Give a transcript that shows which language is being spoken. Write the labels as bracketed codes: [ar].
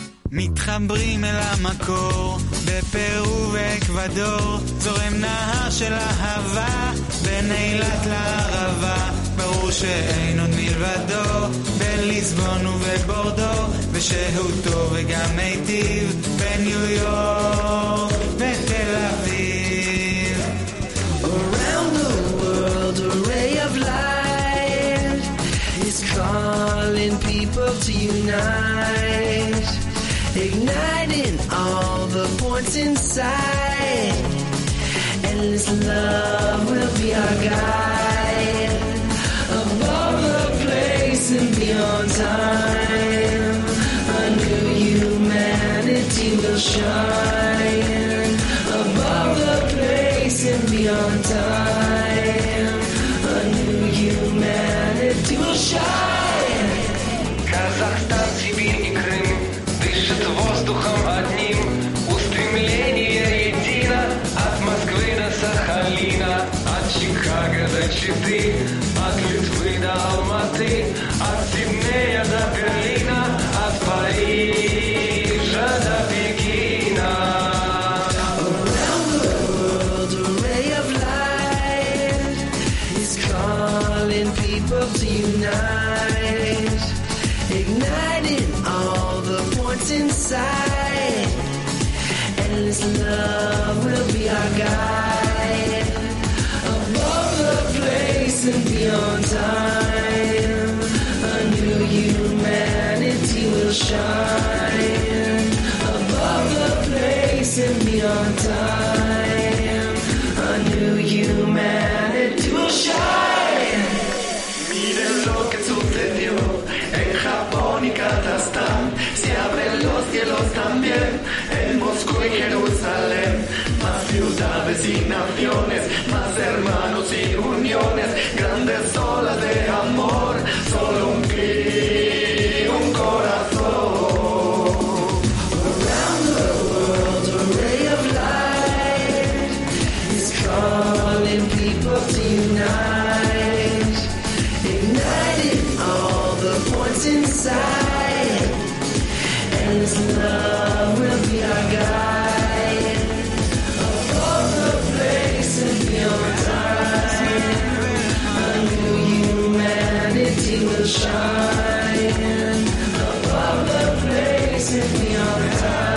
[he] מתחברים אל המקור בפרו ואקוודור, זורם נהר של אהבה בין אילת לערבה, ברור שאין עוד מלבדו בליסבון ובבורדו, ושהוא טוב וגם מיטיב בניו יורק ותל אביב. [en] Around the world a ray of light is calling people to unite, igniting all the points inside, endless love will be our guide, above the place and beyond time, a new humanity will shine, above the place and beyond time, a new humanity will shine. [ru] Kazakhstan, Sibir, Krim дышит воздухом одним, устремление едино, от Москвы до Сахалина, от Чикаго до Читы, от Литвы до Алматы, от Сиднея до Берлина, от Парижа до Пекина. [en] Around the world a ray of light is calling people to unite, igniting all inside, endless love will be our guide, above the place and beyond time, a new humanity will shine, above the place and beyond time, a new humanity will shine. [es] Mire lo que sucedió en Japón y Kazajstán, cielos también en Moscú y Jerusalén, más ciudades y naciones, más hermanos y uniones, grandes olas de amor, solo un clic, un corazón. [en] Around the world a ray of light is calling people to unite, igniting all the points inside, endless love will be our guide, above the place and beyond time, a new humanity will shine, above the place and beyond time.